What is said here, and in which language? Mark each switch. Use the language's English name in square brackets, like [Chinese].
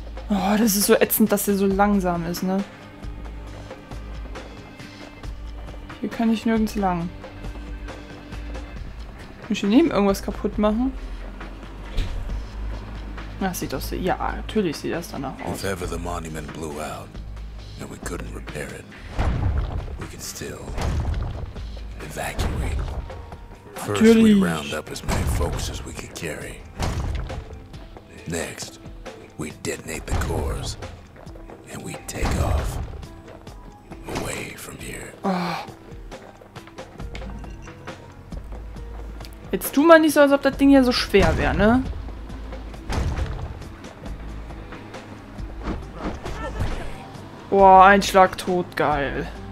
[German] Oh, das ist so ätzend, dass der so langsam ist, ne? Hier kann ich nirgends lang. Muss ich hier neben irgendwas kaputt machen? Das sieht aus, ja, natürlich sieht das danach aus. [English] If ever the monument blew out and we couldn't repair it, we could still evacuate. First we round up as many folks as we could carry. Next, we detonate the cores and we take off away from here. Oh. [German] Jetzt tu mal nicht so, als ob das Ding hier so schwer wäre, ne? Boah, ein Schlag tot, geil.